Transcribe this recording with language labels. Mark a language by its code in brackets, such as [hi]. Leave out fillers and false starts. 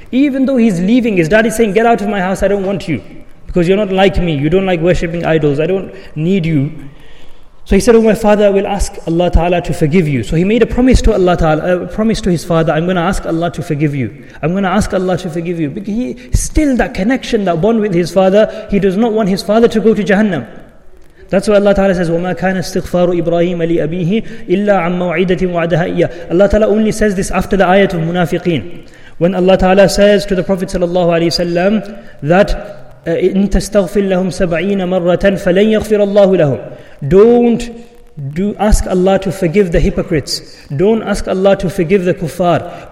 [en] Even though he's leaving, his dad is saying, get out of my house, I don't want you. Because you're not like me, you don't like worshipping idols, I don't need you. So he said, Oh my father, I will ask Allah Ta'ala to forgive you. So he made a promise to Allah Ta'ala, a promise to his father, I'm going to ask Allah to forgive you. I'm going to ask Allah to forgive you. Because he still that connection, that bond with his father, he does not want his father to go to Jahannam. That's why Allah Ta'ala says, [ar] وَمَا كَانَ اسْتِغْفَارُ إِبْرَاهِيمَ لِأَبِيهِ إِلَّا عَمَّ مَوْعِدَةٍ وَعَدَهَا إِيَّا. [en] Allah Ta'ala only says this after the ayat of Munafiqeen. When Allah Ta'ala says to the Prophet sallallahu alayhi wasallam that [ar] إِن تَسْتَغْفِرْ لَهُمْ سَبْعِينَ مَرَّةً فَلَنْ يَغْفِرَ اللَّهُ لَهُمْ. [en] Don't ask Allah to forgive the hypocrites. Don't ask Allah to forgive the kuffar.